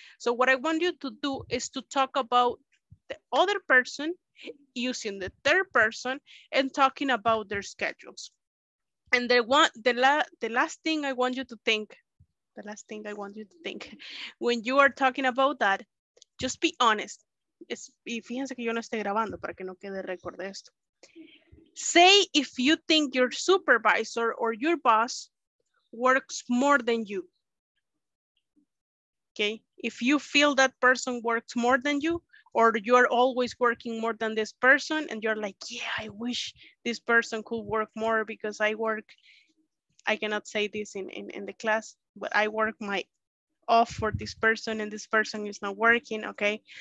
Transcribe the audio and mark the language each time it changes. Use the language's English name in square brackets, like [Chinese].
[English] So what I want you to do is to talk about the other person using the third person and talking about their schedules. And the last thing I want you to think when you are talking about that, just be honest. [Spanish] Y fíjense que yo no estoy grabando para que no quede récord de esto. [English] Say if you think your supervisor or your boss works more than you. Okay, if you feel that person works more than you, or you're always working more than this person, and you're like, yeah, I wish this person could work more because I work, I cannot say this in the class, but I work my off for this person and this person is not working, okay?